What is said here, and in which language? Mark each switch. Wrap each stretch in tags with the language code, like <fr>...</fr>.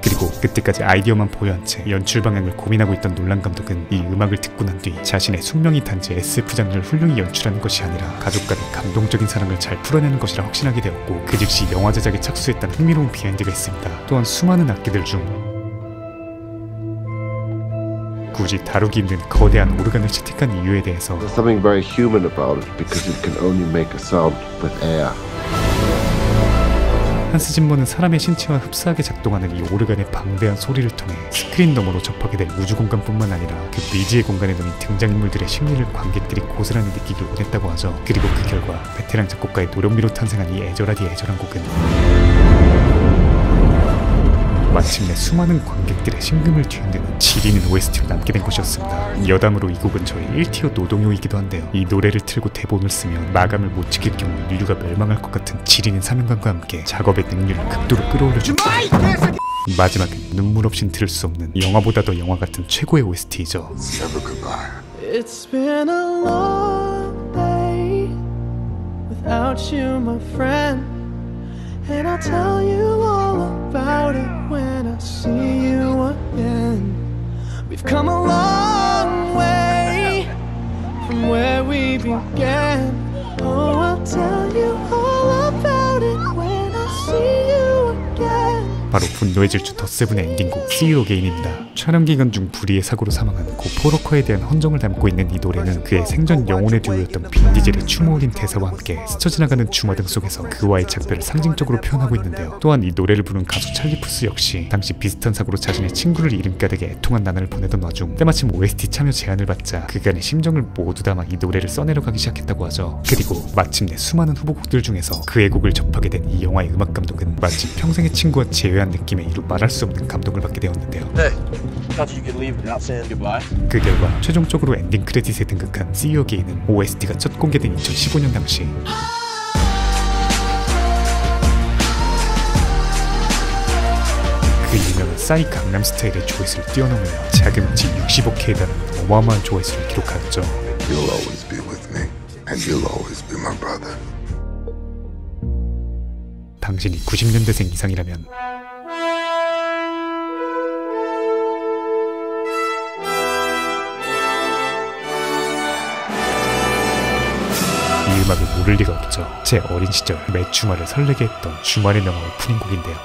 <ko>그리고 그때까지 아이디어만 보유한 채 연출 방향을 고민하고 있던 놀란 감독은 이 음악을 듣고 난 뒤 자신의 숙명이 단지 SF 장르를 훌륭히 연출하는 것이 아니라 가족 간의 감동적인 사랑을 잘 풀어내는 것이라 확신하게 되었고 그 즉시 영화 제작에 착수했다는 흥미로운 비하인드가 있습니다. 또한 수많은 악기들 중 굳이 다루기 힘든 거대한 오르간을 채택한 이유에 대해서</ko> <en>There's something very human about it because it can only make a sound with air.</en> <ko>한스 짐머는 사람의 신체와 흡사하게 작동하는 이 오르간의 방대한 소리를 통해 스크린 너머로 접하게 될 우주 공간뿐만 아니라 그 미지의 공간에 놓인 등장인물들의 심리를 관객들이 고스란히 느끼길 원했다고 하죠. 그리고 그 결과 베테랑 작곡가의 노력미로 탄생한 이 애절하디 애절한 곡은 마침내 수많은 관객들의 심금을 뒤흔드는 지리는 OST로 남게 된 것이었습니다. 여담으로 이 곡은 저의 1티어 노동요이기도 한데요. 이 노래를 틀고 대본을 쓰면 마감을 못 지킬 경우 인류가 멸망할 것 같은 지리는 사명감과 함께 작업의 능률을 극도로 끌어올려줍니다. 마지막 눈물 없인 들을 수 없는 영화보다 더 영화 같은 최고의 OST이죠.</ko> <en>It's been a long day without you my friend. And I'll tell you all about it when I see you again. We've come a long way from where we began. Oh, I'll tell you all about it when I see you again.</en> <ko>바로 분노의 질주 더 세븐의 엔딩곡 See You Again입니다. 촬영 기간 중 불의의 사고로 사망한 고 포로커에 대한 헌정을 담고 있는 이 노래는 그의 생전 영혼의 듀오였던 빈디젤의 추모어린 대사와 함께 스쳐 지나가는 주마등 속에서 그와의 작별을 상징적으로 표현하고 있는데요. 또한 이 노래를 부른 가수 찰리푸스 역시 당시 비슷한 사고로 자신의 친구를 잃은 까닭에 애통한 나날을 보내던 와중 때마침 OST 참여 제안을 받자 그간의 심정을 모두 담아 이 노래를 써내려가기 시작했다고 하죠. 그리고 마침내 수많은 후보곡들 중에서 그의 곡을 접하게 된 이 영화의 음악 감독은 마치 평생의 친구와 제외한 느낌의 이루 말할 수 없는 감동을 받게 되었는데요. 네.</ko> <en>You can leave without saying goodbye.</en> <ko>그 결과 최종적으로 엔딩 크레딧에 등극한 See You Again은 OST가 첫 공개된 2015년 당시 그 유명한 싸이 강남 스타일의 조회수를 뛰어넘으며 자그마치 65K에 달하는 어마어마한 조회수를 기록하였죠.</ko> <en>You'll always be with me and you'll always be my brother.</en> <ko>당신이 90년대생 이상이라면 음악을 모를 리가 없죠. 제 어린 시절 매 주말을 설레게 했던 주말의 명화 오프닝 곡인데요.</ko>